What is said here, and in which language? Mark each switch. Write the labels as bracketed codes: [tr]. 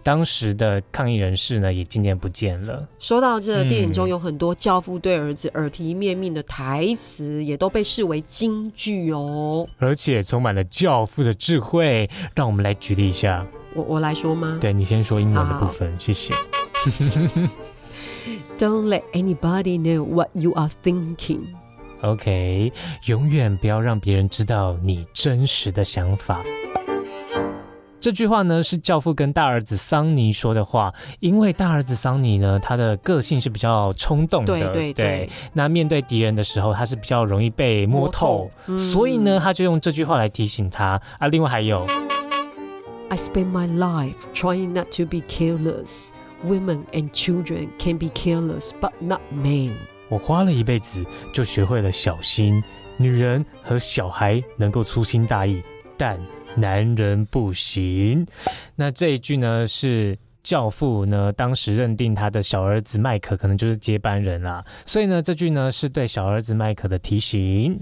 [zh] 当时的抗议人士呢，也渐渐不见了。说到这个电影中有很多教父对儿子耳提面命的台词，也都被视为金句哦。而且充满了教父的智慧，让我们来举例一下。我来说吗？对，你先说英文的部分。好好，谢谢。 [en] Don't let anybody know what you are thinking. [zh] OK， 永远不要让别人知道你真实的想法。这句话呢，是教父跟大儿子桑尼说的话。因为大儿子桑尼呢，他的个性是比较冲动的，对对对, 对。那面对敌人的时候，他是比较容易被摸透，摸透，所以呢，他就用这句话来提醒他啊。另外还有 [en] ，I spend my life trying not to be careless. Women and children can be careless, but not men. [zh] 我花了一辈子就学会了小心，女人和小孩能够粗心大意，但男人不行。那这一句呢，是教父呢当时认定他的小儿子麦克可能就是接班人啦，所以呢这句呢是对小儿子麦克的提醒。